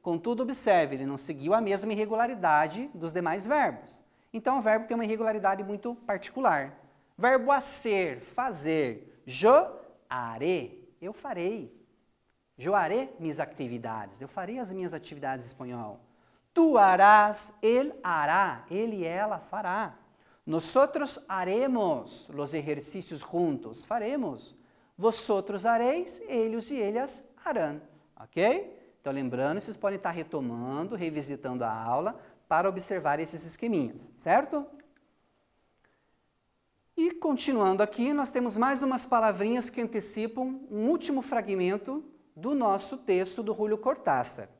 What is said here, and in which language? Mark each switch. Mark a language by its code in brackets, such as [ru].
[pt] Contudo, observe, ele não seguiu a mesma irregularidade dos demais verbos. Então o verbo tem uma irregularidade muito particular. Verbo ser, fazer. [es] Yo haré, [pt] eu farei. [es] Yo haré mis actividades, [pt] eu farei as minhas atividades em espanhol. [es] Tu harás, él hará, [pt] ele e ela fará. [es] Nosotros haremos los ejercicios juntos, [pt] faremos. [es] Vosotros hareis, [pt] eles e elas [es] harán, ok? [pt] Então lembrando, vocês podem estar retomando, revisitando a aula para observar esses esqueminhas, certo? E continuando aqui, nós temos mais umas palavrinhas que antecipam um último fragmento do nosso texto do Júlio Cortázar.